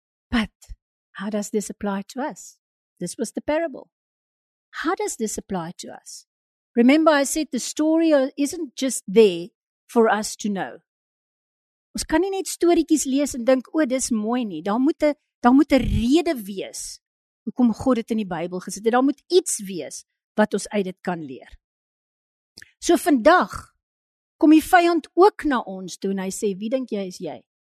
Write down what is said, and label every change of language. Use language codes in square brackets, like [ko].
[en] But how does this apply to us? This was the parable. How does this apply to us? Remember I said the story isn't just there for us to know. [af] Ons kan nie net storiekies lees en dink, o, dis mooi nie. Daar moet 'n rede wees hoekom God dit in die Bybel gesit het. Daar moet iets wees wat ons uit dit kan leer. So vandag kom die vyand ook na ons toe en hy sê, wie dink jy is jy?